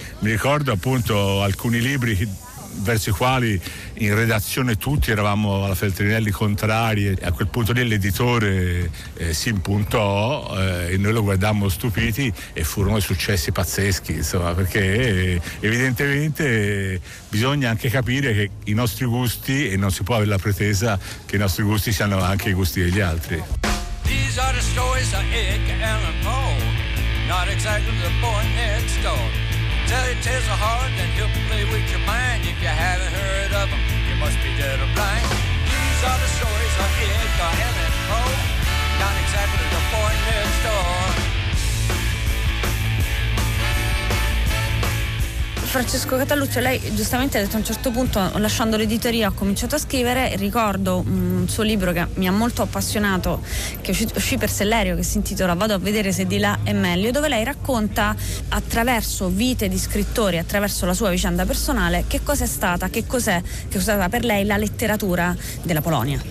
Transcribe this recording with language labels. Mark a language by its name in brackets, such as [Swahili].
[Italian] Mi ricordo appunto alcuni libri verso i quali in redazione tutti eravamo alla Feltrinelli contrari, e a quel punto lì l'editore si impuntò e noi lo guardammo stupiti, e furono successi pazzeschi, insomma, perché evidentemente bisogna anche capire che i nostri gusti, e non si può avere la pretesa che i nostri gusti siano anche i gusti degli altri. [English] These are the stories of Ick Allen Poe, not exactly the boy next door. Tell your tales of heart and he'll play with your mind. If you haven't heard of him, you must be dead or blind. These are the stories of Edgar Allan Poe, not exactly the boy next door. [Italian] Francesco Cataluccio, lei giustamente ha detto a un certo punto, lasciando l'editoria, ha cominciato a scrivere. Ricordo un suo libro che mi ha molto appassionato, che uscì per Sellerio, che si intitola Vado a vedere se di là è meglio, dove lei racconta attraverso vite di scrittori, attraverso la sua vicenda personale, che cos'è stata, che cos'è stata per lei la letteratura della Polonia.